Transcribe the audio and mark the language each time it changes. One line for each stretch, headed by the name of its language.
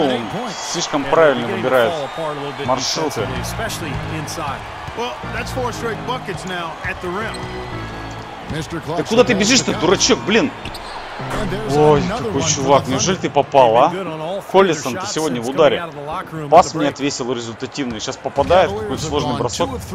Russian: Он слишком правильно выбирает маршруты.
English: Especially inside. Well, that's four straight buckets now at the rim.
Russian: Да куда ты бежишь-то, дурачок, блин? Ой, какой чувак, неужели ты попал, а? Коллисон, ты сегодня в ударе. Пас мне отвесил результативный. Сейчас попадает, какой сложный бросок.